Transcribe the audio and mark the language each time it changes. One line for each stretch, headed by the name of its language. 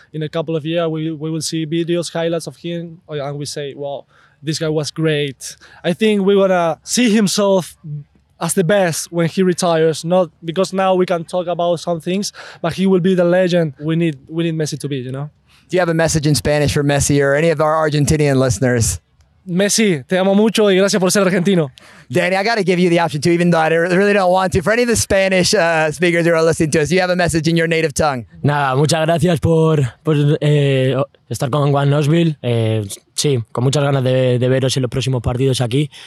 English: In a couple of years, we will see videos, highlights of him. And we say, well, this guy was great. I think we want to see himself as the best when he retires. Not because now we can talk about some things, but he will be the legend we need Messi to be, you know? Do you have a message in Spanish for Messi or any of our Argentinian listeners?
Spanish: Messi, te amo mucho y gracias por ser argentino.
English: Danny, I got to give you the option too, even though I really don't want to. For any of the Spanish speakers who are listening to us, do you have a message in your native tongue?
Spanish: Nada, muchas gracias por estar con Juan Nosville. Sí, con muchas ganas de veros en los próximos partidos aquí.